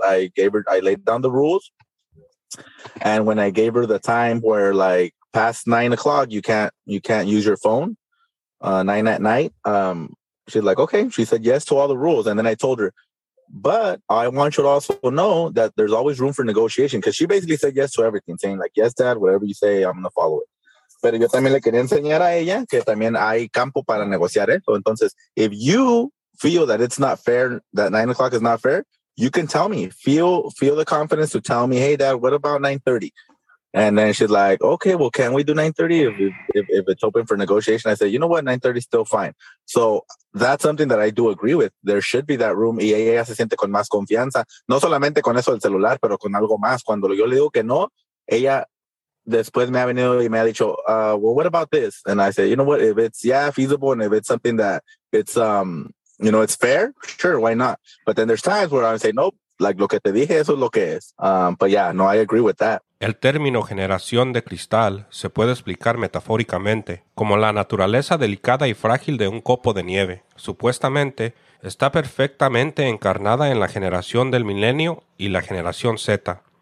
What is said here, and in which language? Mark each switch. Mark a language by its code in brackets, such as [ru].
[en] I laid down the rules. And when I gave her the time where, like, past 9 o'clock, you can't use your phone, 9 at night, she's like, okay. She said yes to all the rules. And then I told her, but I want you to also know that there's always room for negotiation. Cause she basically said yes to everything, saying, like, yes, dad, whatever you say, I'm going to follow it. [es] Pero yo también le quería enseñar a ella que también hay campo para negociar eso. [en] Entonces, if you feel that it's not fair, that 9 o'clock is not fair, you can tell me, feel the confidence to tell me, hey, dad, what about 9:30? And then she's like, okay, well, can we do 9:30 if it's open for negotiation? I said, you know what? 9:30 is still fine. So that's something that I do agree with. There should be that room. [es] Y ella se siente con más confianza. No solamente con eso del celular, pero con algo más. Cuando yo le digo que no, ella después me ha venido y me ha dicho, [en] well, what about this? And I said, you know what? If it's, yeah, feasible, and if it's something that it's, you know, it's fair, sure, why not? But then there's times where I say, nope, like [es] lo que te dije, eso es lo que es. [en] But yeah, no, I agree with that. [es] El término generación de cristal se puede explicar metafóricamente como la naturaleza delicada y frágil de un copo de nieve. Supuestamente, está perfectamente encarnada en la generación del milenio y la generación Z.